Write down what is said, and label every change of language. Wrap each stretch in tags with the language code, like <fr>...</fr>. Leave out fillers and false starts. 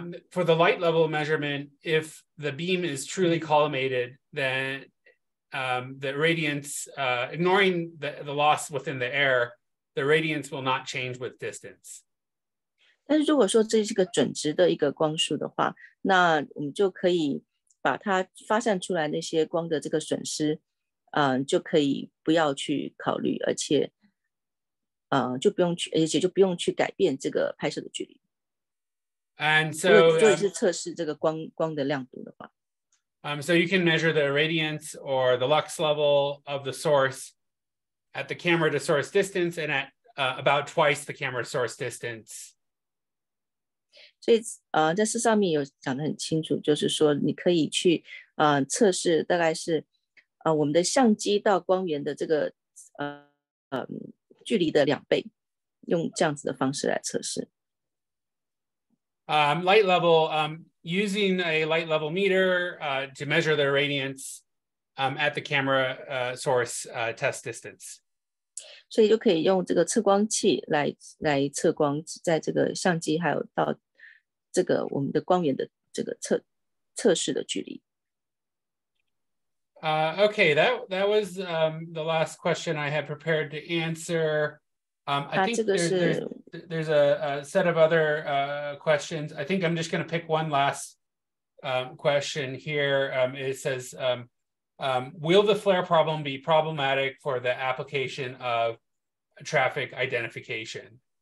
<en>For the light level measurement, if the beam is truly collimated, then the radiance, ignoring the loss within the air, the radiance will not change with distance.</en> <zh>但是如果说这是个准值的一个光束的话，那我们就可以把它发散出来那些光的这个损失，就可以不要去考虑，而且，就不用去，而且就不用去改变这个拍摄的距离。</zh> <en>And so,</en> <zh>如果是测试这个 光的亮度的话。</zh> <en>So you can measure the irradiance or the lux level of the source at the camera to source distance and at about twice the camera source distance.</en> <zh>所以在这上面有讲得很清楚，就是说你可以去测试大概是我们的相机到光源的这个距离的两倍，用这样子的方式来测试。</zh> <en>Light level, using a light level meter to measure the irradiance at the camera source test distance.</en> <zh>所以就可以用这个测光器 来测光，在这个相机还有到这个我们的光源的这个 测试的距离。</zh> <en>Okay, that was the last question I had prepared to answer. I think there's a set of other questions. I think I'm just going to pick one last question here. It says, will the flare problem be problematic for the application of traffic identification?</en>